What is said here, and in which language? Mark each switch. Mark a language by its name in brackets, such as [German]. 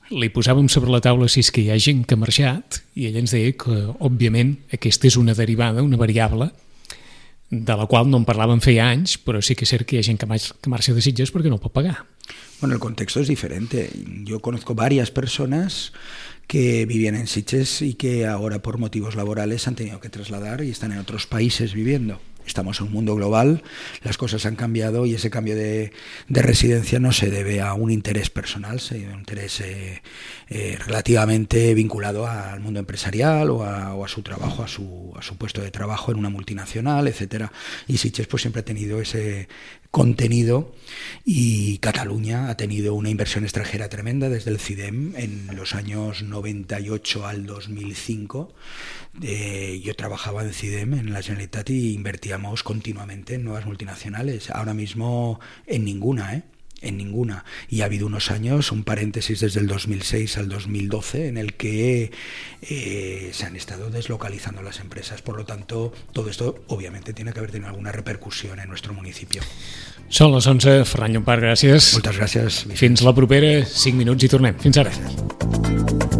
[Catalan] Li posàvem sobre la taula si és que hi ha gent que ha marxat i ell ens deia que, òbviament, aquesta és una derivada, una variable, de la qual no en parlàvem feia anys, però sí que és cert que hi ha gent que marxa de Sitges perquè no pot pagar. [Spanish] Bueno, el contexto es diferente. Yo conozco varias personas que vivían en Sitges y que ahora, por motivos laborales, han tenido que trasladar y están en otros países viviendo. Estamos en un mundo global, las cosas han cambiado y ese cambio de residencia no se debe a un interés personal, se debe a un interés relativamente vinculado al mundo empresarial o a su trabajo, a su puesto de trabajo en una multinacional, etcétera. Y Sitges pues siempre ha tenido ese contenido y Cataluña ha tenido una inversión extranjera tremenda desde el CIDEM en los años 98 al 2005. Yo trabajaba en CIDEM, en la Generalitat, y invertíamos continuamente en nuevas multinacionales. Ahora mismo en ninguna, ¿eh? en ninguna. Y ha habido unos años, un paréntesis desde el 2006 al 2012, en el que se han estado deslocalizando las empresas. Por lo tanto, todo esto obviamente tiene que haber tenido alguna repercusión en nuestro municipio. [Catalan] Són les 11. Ferran Llompart, gràcies. Moltes gràcies. Fins la propera, 5 minuts i tornem. Fins ara. Gràcies.